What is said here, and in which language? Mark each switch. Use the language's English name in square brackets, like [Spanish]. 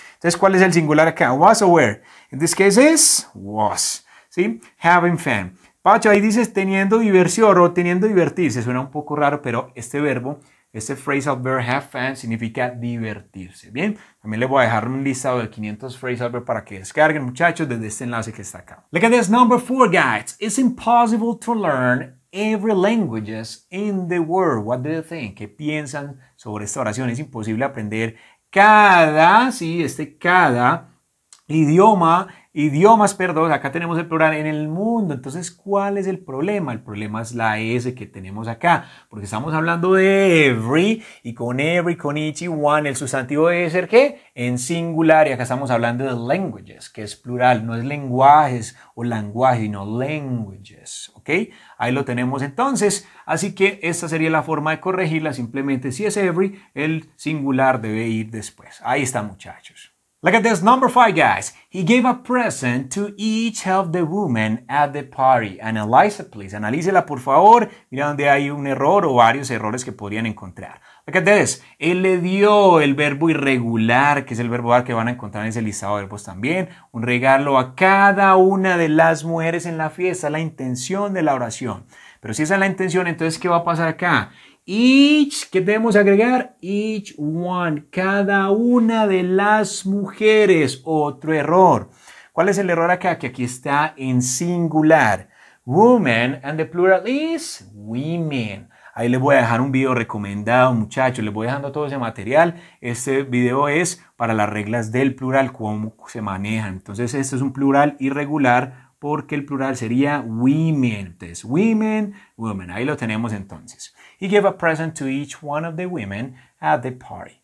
[Spanish] Entonces, ¿cuál es el singular acá? Was o were. En este caso es was. ¿Sí? [English] Having fun. [Spanish] Pacho, ahí dices teniendo diversión o teniendo divertirse. Suena un poco raro, pero este verbo, este phrasal verb have fun, significa divertirse. Bien, también les voy a dejar un listado de 500 phrasal verbs para que descarguen, muchachos, desde este enlace que está acá. [English] Look at this, number four, guys. It's impossible to learn every language in the world. What do you think? [Spanish] ¿Qué piensan sobre esta oración? Es imposible aprender cada, sí, este cada idioma. Idiomas, perdón, acá tenemos el plural en el mundo. Entonces, ¿cuál es el problema? El problema es la S que tenemos acá, porque estamos hablando de every, con each y one, el sustantivo debe ser ¿qué? En singular, y acá estamos hablando de languages, que es plural, no es lenguajes o lenguaje, sino languages, ¿ok? Ahí lo tenemos entonces, así que esta sería la forma de corregirla, simplemente si es every, el singular debe ir después. Ahí está, muchachos. [English] Look at this, number five, guys. He gave a present to each of the women at the party. Analyze it, please. [Spanish] Analícela, por favor. Mira dónde hay un error o varios errores que podrían encontrar. [English] Look at this. [Spanish] Él le dio el verbo irregular, que es el verbo dar que van a encontrar en ese listado de verbos también. Un regalo a cada una de las mujeres en la fiesta. La intención de la oración. Pero si esa es la intención, entonces, ¿qué va a pasar acá? Each, ¿qué debemos agregar? Each one, cada una de las mujeres. Otro error. ¿Cuál es el error acá? Que aquí está en singular. [English] Women, and the plural is women. [Spanish] Ahí les voy a dejar un video recomendado, muchachos. Les voy dejando todo ese material. Este video es para las reglas del plural, cómo se manejan. Entonces, este es un plural irregular porque el plural sería women. Entonces, women, women. Ahí lo tenemos entonces. [English] He gave a present to each one of the women at the party.